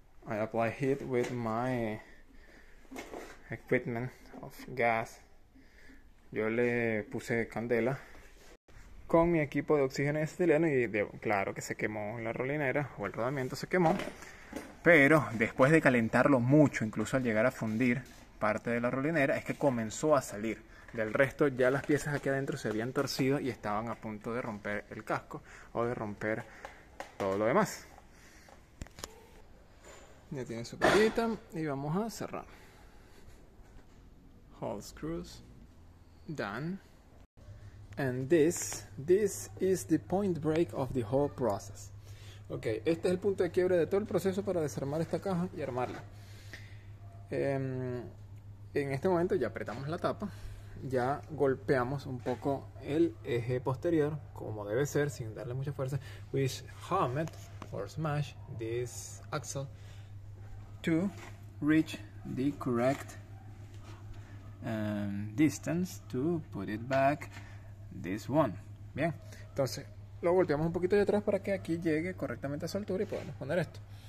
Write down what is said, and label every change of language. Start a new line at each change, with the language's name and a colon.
English: I apply heat with my equipment of gas.
Spanish: Yo le puse candela con mi equipo de oxígeno y acetileno, y claro que se quemó la rolinera, o el rodamiento se quemó, pero después de calentarlo mucho, incluso al llegar a fundir parte de la rolinera, es que comenzó a salir. Del resto ya las piezas aquí adentro se habían torcido y estaban a punto de romper el casco o de romper todo lo demás. Ya tiene su perita y vamos a cerrar.
English: Hole screws done. And this is the point break of the whole process.
Spanish: Okay, este es el punto de quiebre de todo el proceso para desarmar esta caja y armarla. En este momento ya apretamos la tapa, ya golpeamos un poco el eje posterior, como debe ser, sin darle mucha fuerza.
English: We hammer or smash this axle to reach the correct distance to put it back. This one.
Spanish: Bien, entonces lo volteamos un poquito de atrás para que aquí llegue correctamente a su altura y podamos poner esto.